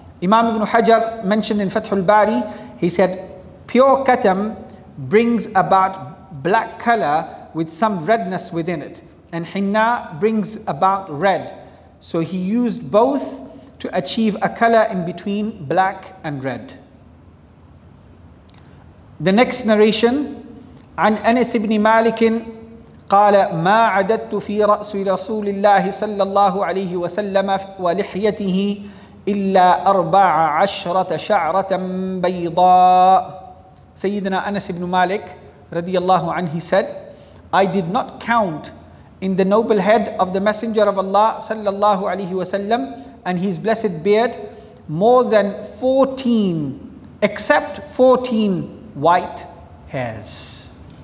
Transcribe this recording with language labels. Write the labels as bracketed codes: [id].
[en] Imam Ibn Hajar mentioned in Fathul Bari, he said pure katam brings about black color with some redness within it, and Hinna brings about red. So he used both to achieve a color in between black and red. [ar] The next narration, عن أنس بن مالك قال ما عددت في رأس رسول الله صلى الله عليه وسلم ولحيته إلا 14 شعرة بيضاء. [en] سيدنا أنس بن مالك رضي الله عنه said, I did not count in the noble head of the Messenger of Allah صلى الله عليه وسلم and his blessed beard more than 14, except 14 white hairs.